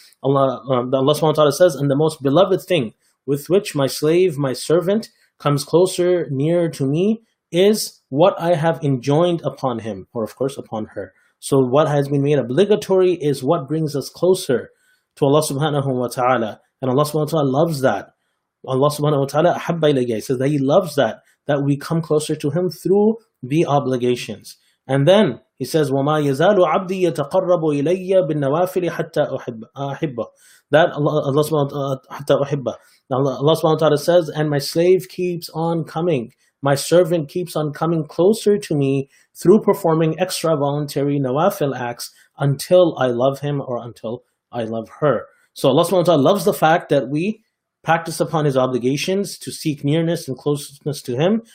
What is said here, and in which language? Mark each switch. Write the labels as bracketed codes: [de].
[en] Allah subhanahu wa ta'ala says, and the most beloved thing with which my slave, my servant, comes closer, nearer to me, is what I have enjoined upon him, or of course upon her. So what has been made obligatory is what brings us closer to Allah subhanahu wa ta'ala. And Allah subhanahu wa ta'ala loves that. Allah subhanahu wa ta'ala ahabba ilayya, says that He loves that we come closer to Him through the obligations. [ar] And then He says, وَمَا يَزَالُ عَبْدِي يَتَقَرَّبُ إِلَيَّ بِالنَّوَافِلِ حَتَّى أُحِبَّهُ. [en] That Allah subhanahu wa ta'ala, Allah subhanahu wa ta'ala says, and my slave keeps on coming, my servant keeps on coming closer to me through performing extra voluntary nawafil acts until I love him or until I love her. So Allah subhanahu wa ta'ala loves the fact that we practice upon His obligations to seek nearness and closeness to Him.